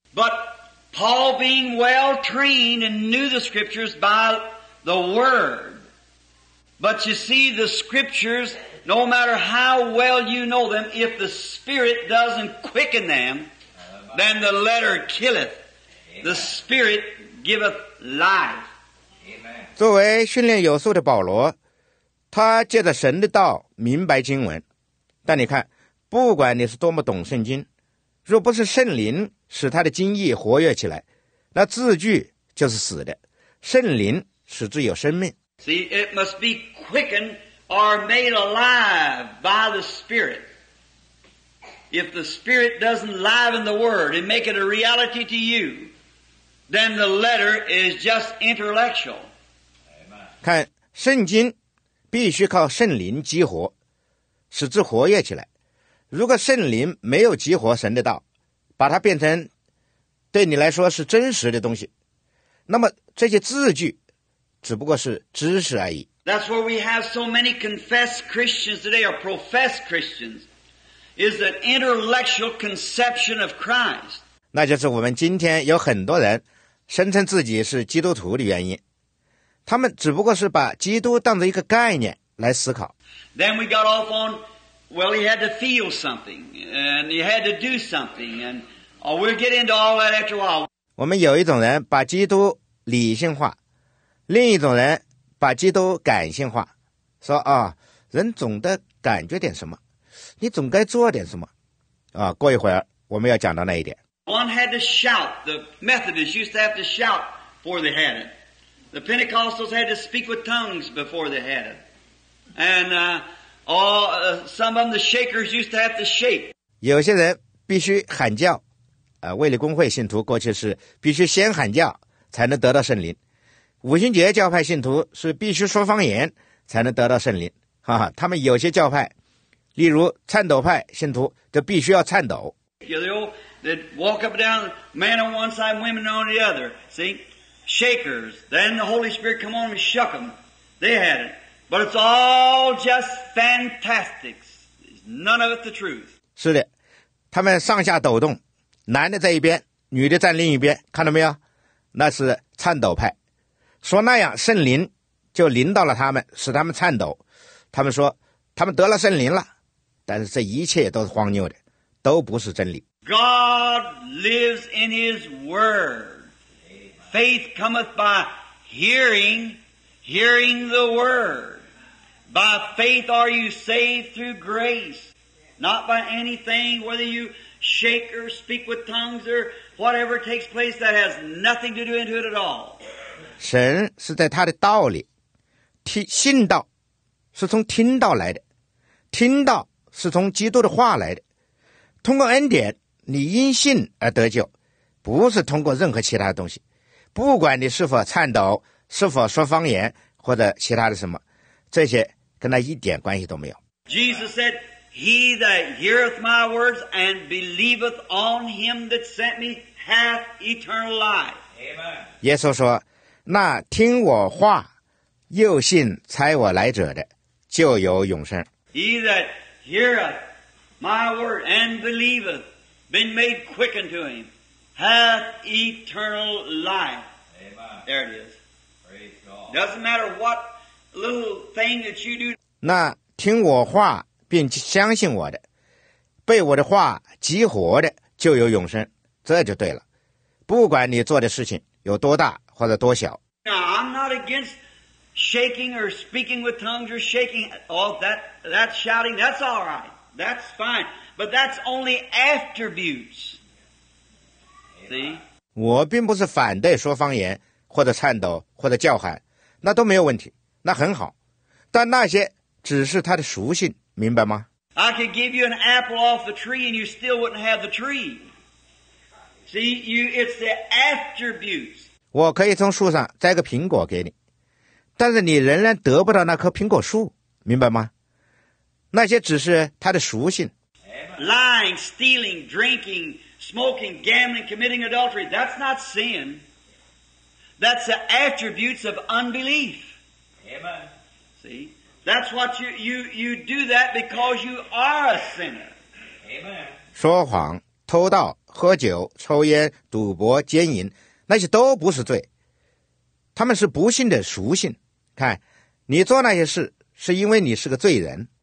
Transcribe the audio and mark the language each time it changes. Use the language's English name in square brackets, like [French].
[English] But Paul being well trained and knew the scriptures by the word, but you see the scriptures, no matter how well you know them, if the Spirit doesn't quicken them, then the letter killeth, the Spirit giveth life. [Chinese] 作为训练有素的保罗，他借着神的道明白经文，但你看，不管你是多么懂圣经，若不是圣灵使他的经意活跃起来，那字句就是死的，圣灵使之有生命。 [English] See, it must be quickened or made alive by the Spirit. If the Spirit doesn't liven the word and make it a reality to you, then the letter is just intellectual. [Chinese] 看，圣经必须靠圣灵激活，使之活跃起来。如果圣灵没有激活神的道，把它变成对你来说是真实的东西，那么这些字句只不过是知识而已。 [English] That's where we have so many confessed Christians today, or professed Christians, is an intellectual conception of Christ. [Chinese] 那就是我们今天有很多人声称自己是基督徒的原因，他们只不过是把基督当作一个概念来思考。 [English] Then we got off on, well, he had to feel something, and he had to do something, and we'll get into all that after a while. [Chinese] 我们有一种人把基督理性化，另一种人把基督感性化，说啊，人总得感觉点什么，你总该做点什么，啊，过一会儿我们要讲到那一点。 [English] One had to shout. The Methodists used to have to shout before they had it. The Pentecostals had to speak with tongues before they had it. And some of them, the Shakers used to have to shake. [Chinese] 有些人必须喊叫，卫理公会信徒过去是必须先喊叫才能得到圣灵。五旬节教派信徒是必须说方言才能得到圣灵，哈哈！他们有些教派，例如颤抖派信徒，就必须要颤抖。 [English] They walk up and down, men on one side, women on the other. See, shakers. Then the Holy Spirit come on and shook them. They had it, but it's all just fantastics. None of it the truth. [Chinese] 是的，他们上下抖动，男的在一边，女的站另一边，看到没有？那是颤抖派。说那样圣灵就临到了他们，使他们颤抖，他们说他们得了圣灵了，但是这一切都是荒谬的，都不是真理。 [English] God lives in his word. Faith cometh by hearing, hearing the word. By faith are you saved through grace, not by anything, whether you shake or speak with tongues or whatever takes place, that has nothing to do into it at all. [Chinese] 神是在他的道里，信道是从听道来的，听道是从基督的话来的。通过恩典，你因信而得救，不是通过任何其他的东西。不管你是否颤抖，是否说方言，或者其他的什么，这些跟他一点关系都没有。 [English] Jesus said, He that heareth my words and believeth on him that sent me hath eternal life. [Chinese] Amen. 耶稣说，那听我话又信差我来者的就有永生。 [English] He that heareth my word and believeth, been made quickened to him, hath eternal life. Amen. There it is. Praise God. Doesn't matter what little thing that you do. [Chinese] 那听我话并相信我的，被我的话激活的就有永生，这就对了。不管你做的事情有多大或者多小。 [English] Now, I'm not against shaking or speaking with tongues or shaking all that shouting. That's all right. That's fine. But that's only attributes. See? [Chinese] 我并不是反对说方言或者颤抖或者叫喊，那都没有问题，那很好。但那些只是他的属性，明白吗？ [English] I could give you an apple off the tree and you still wouldn't have the tree. See, it's the attributes. [Chinese] 我可以从树上摘个苹果给你，但是你仍然得不到那棵苹果树，明白吗？那些只是他的属性。 [English] Lying, stealing, drinking, smoking, gambling, committing adultery, that's not sin. That's the attributes of unbelief. Amen. See? That's what you do that because you are a sinner. Amen. [Chinese] 说谎、偷盗、喝酒、抽烟、赌博、奸淫，那些都不是罪，他们是不幸的属性。看，你做那些事是因为你是个罪人。